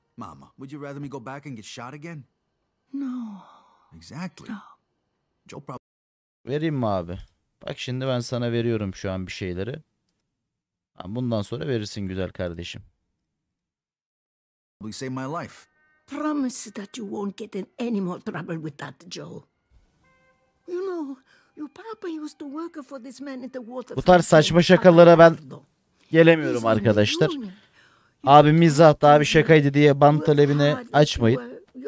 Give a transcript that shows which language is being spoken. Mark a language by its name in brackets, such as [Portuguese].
[English] Mama, would you rather me go back and get shot again? No. Exactly. No. Joe probably... [Turkish] Vereyim mi abi? Bak şimdi ben sana veriyorum şu an bir şeyleri. Bundan sonra verirsin güzel kardeşim. [English] Probably save my life. Promise that you won't get in any more trouble with that Joe. You know, your papa used to work for this man at the water... [Turkish] Bu tarz saçma şakalara ben... Gelemiyorum arkadaşlar. Abi mizah daha bir şakaydı diye ban talebini açmayın.